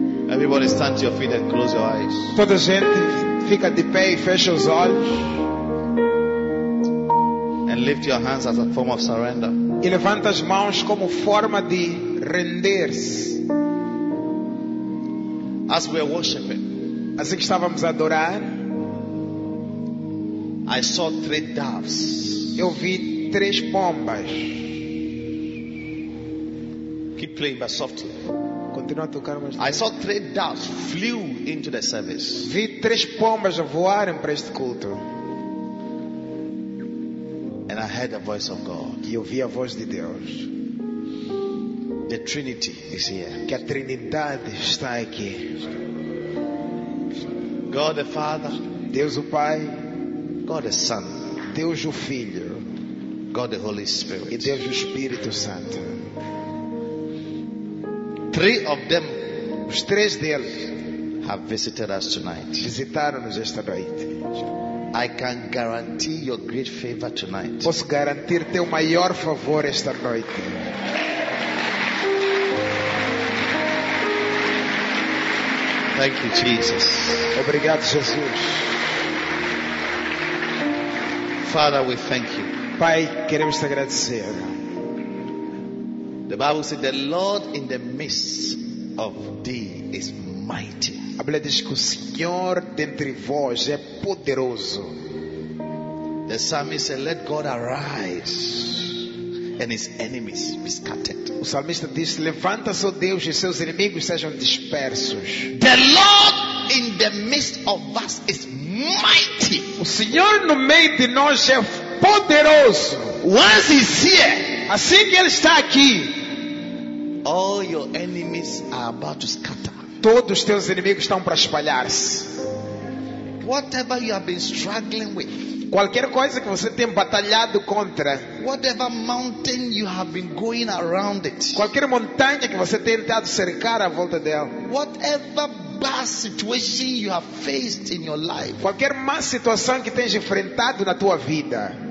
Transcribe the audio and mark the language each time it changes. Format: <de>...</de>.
<en>Everybody stand to your feet and close your eyes.</en> <pt>Toda gente fica de pé e fecha os olhos.</pt> <en>And lift your hands as a form of surrender.</en> <pt>E levanta as mãos como forma de render-se.</pt> <en>As we were worshiping,</en> <pt>assim que estávamos a adorar,</pt> <en>I saw three doves.</en> <pt>Eu vi três pombas.</pt> <en>Keep playing, but softly.</en> <pt>Continua a tocar, mas.</pt> <en>I saw three doves flew into the service.</en> <pt>Vi três pombas a voarem para este culto.</pt> <en>And I heard the voice of God.</en> <pt>E eu vi a voz de Deus.</pt> <en>The Trinity is here.</en> <pt>Que a Trindade está aqui.</pt> <en>God the Father.</en> <pt>Deus o Pai.</pt> <en>God the Son,</en> <pt>Deus o Filho,</pt> <en>God the Holy Spirit,</en> <pt>e Deus o Espírito Santo.</pt> <en>Three of them,</en> <pt>os três deles,</pt> <en>have visited us tonight.</en> <pt>Visitaram-nos esta noite.</pt> <en>I can guarantee your great favor tonight.</en> <pt>Posso garantir teu maior favor esta noite.</pt> <en>Thank you, Jesus.</en> <pt>Obrigado, Jesus.</pt> <en>Father, we thank you.</en> <pt>Pai, queremos te agradecer.</pt> <en>The Bible says the Lord in the midst of thee is mighty.</en> <pt>A Bíblia diz que o Senhor dentre vós é poderoso.</pt> <en>The psalmist said, let God arise and his enemies be scattered.</en> <pt>O salmista diz, levanta-se, ó Deus, e seus inimigos sejam dispersos.</pt> <en>The Lord in the midst of us is mighty.</en> <pt>O Senhor no meio de nós é poderoso.</pt> <en>Once he's here,</en> <pt>assim que ele está aqui,</pt> <en>all your enemies are about to scatter.</en> <pt>Todos os teus inimigos estão para espalhar-se.</pt> <en>Whatever you have been struggling with,</en> <pt>qualquer coisa que você tenha batalhado contra,</pt> <en>whatever mountain you have been going around it,</en> <pt>qualquer montanha que você tenha tentado cercar à volta dela,</pt> <en>whatever bad situation you have faced in your life,</en> <pt>qualquer má situação que tens enfrentado na tua vida,</pt>